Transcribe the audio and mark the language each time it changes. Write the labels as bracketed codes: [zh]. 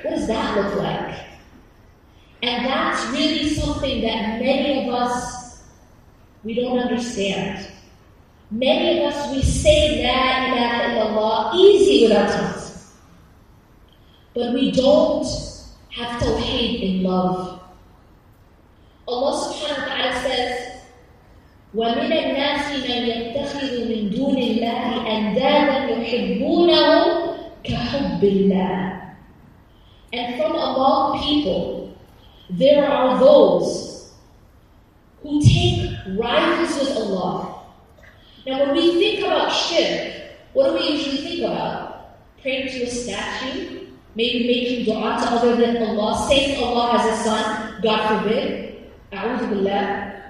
[en] What does that look like? And that's really something that many of us, we don't understand. Many of us, we say La ilaha illallah easy with our tongues. But we don't have Tawheed in love. Allah subhanahu wa ta'ala says, [ar] وَمِنَ النَّاسِ مَنْ يَتَّخِذُ مِنْ دُونِ اللَّهِ أَنْدَادًا يُحِبُّونَهُ كَحُبِّ اللَّهِ. [en] And from among people, there are those who take rivals with Allah. Now when we think about shirk, what do we usually think about? Praying to a statue, maybe making dua to other than Allah, saying Allah has a son, God forbid, [ar] أعوذ بالله.